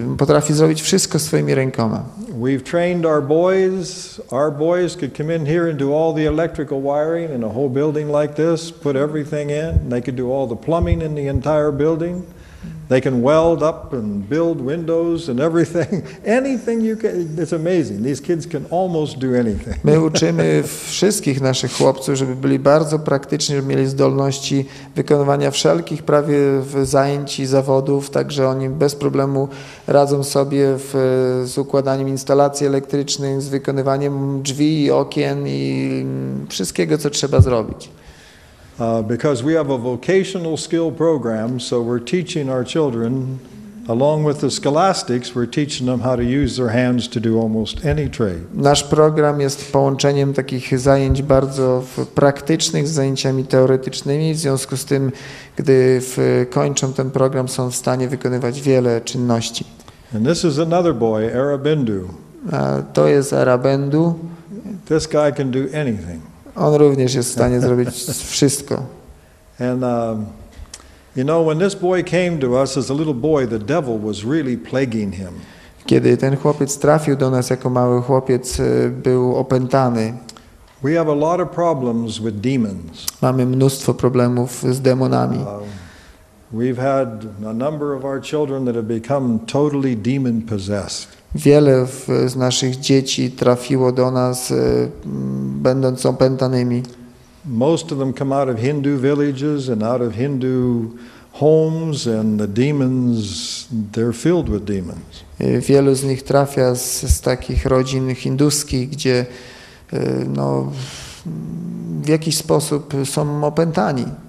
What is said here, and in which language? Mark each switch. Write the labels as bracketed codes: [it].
[pl] Potrafi zrobić wszystko swoimi rękoma. [en] We've trained our boys could come in here and do all the electrical wiring in a whole building like this, put everything in, they could do all the plumbing in the entire building. They can weld up and build windows and everything. Anything you can, it's amazing. These kids can almost do anything. [pl] My uczymy wszystkich naszych chłopców, żeby byli bardzo praktyczni, żeby mieli zdolności wykonywania wszelkich prawie zajęć i zawodów, także oni bez problemu radzą sobie z układaniem instalacji elektrycznych, z wykonywaniem drzwi i okien i wszystkiego, co trzeba zrobić. [en] Because we have a vocational skill program, so we're teaching our children, along with the scholastics, we're teaching them how to use their hands to do almost any trade. [pl] Nasz program jest połączeniem takich zajęć bardzo praktycznych z zajęciami teoretycznymi. W związku z tym, gdy kończą ten program, są w stanie wykonywać wiele czynności. [en] And this is another boy, Arabindu. [pl] To jest Arabindu. [en] This guy can do anything. [pl] On również jest w stanie zrobić wszystko. [en] And you know, when this boy came to us as a little boy, the devil was really plaguing him. [pl] Kiedy ten chłopiec trafił do nas jako mały chłopiec, był opętany. [en] We have a lot of problems with demons. [pl] Mamy mnóstwo problemów z demonami. [en] We've had a number of our children that have become totally demon possessed. [pl] Wiele z naszych dzieci trafiło do nas, będąc opętanymi. [en] Most of them come out of Hindu villages and out of Hindu homes, and the demons, they're filled with demons. [pl] Wielu z nich trafia z takich rodzin hinduskich, gdzie no, w jakiś sposób są opętani.